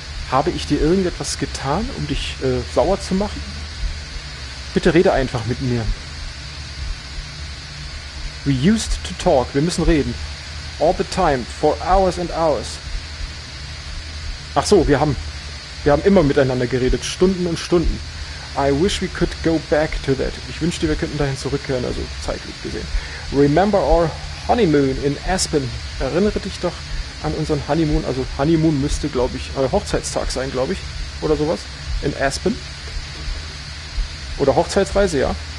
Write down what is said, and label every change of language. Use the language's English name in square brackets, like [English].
[German] Habe ich dir irgendetwas getan, um dich sauer zu machen? Bitte rede einfach mit mir. [English] We used to talk. [German] Wir müssen reden. [English] All the time, for hours and hours. [German] Ach so, wir haben immer miteinander geredet, Stunden und Stunden. [English] I wish we could go back to that. [German] Ich wünschte, wir könnten dahin zurückkehren, also zeitlich gesehen. [English] Remember our honeymoon in Aspen. [German] Erinnere dich doch an unseren Honeymoon. Also Honeymoon müsste, glaube ich, Hochzeitstag sein, glaube ich. Oder sowas. In Aspen. Oder Hochzeitsreise, ja.